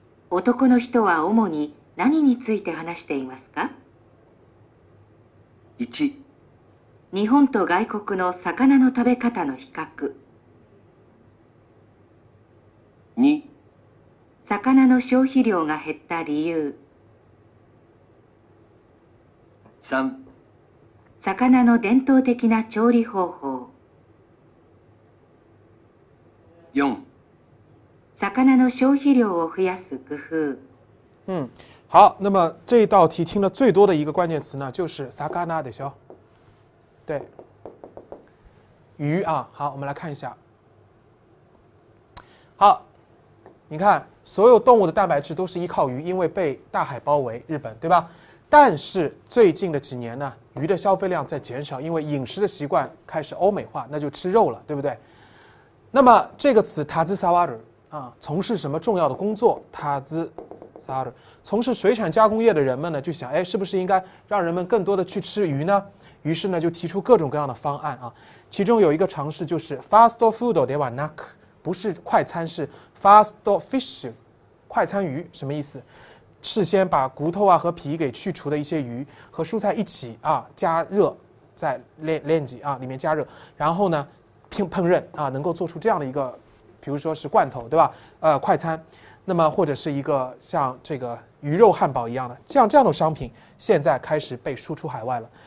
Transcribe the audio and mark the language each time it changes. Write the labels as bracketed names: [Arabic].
[Japanese] 男の人は主に何について話していますか？ 1、日本と外国の魚の食べ方の比較。 2、魚の消費量が減った理由。 3、魚の伝統的な調理方法。 4、魚の消費量を増やす工夫。 [Chinese] 好，那么这一道题听了最多的一个关键词呢，就是 [Japanese] 魚でしょ。 [Chinese] 对，鱼啊。好，我们来看一下。好，你看，所有动物的蛋白质都是依靠鱼，因为被大海包围，日本，对吧？但是最近的几年呢，鱼的消费量在减少，因为饮食的习惯开始欧美化，那就吃肉了，对不对？那么这个词 tazisawaru 啊，从事什么重要的工作 ？tazi 萨尔，从事水产加工业的人们呢，就想，哎，是不是应该让人们更多的去吃鱼呢？于是呢，就提出各种各样的方案啊。其中有一个尝试就是 fast food [Japanese] ではなく， [Chinese] 不是快餐，是 fast fish， 快餐鱼，什么意思？事先把骨头啊和皮给去除的一些鱼和蔬菜一起啊加热，在レンジ啊里面加热，然后呢烹饪啊，能够做出这样的一个，比如说是罐头对吧？快餐，那么或者是一个像这个鱼肉汉堡一样的这样的商品，现在开始被输出海外了。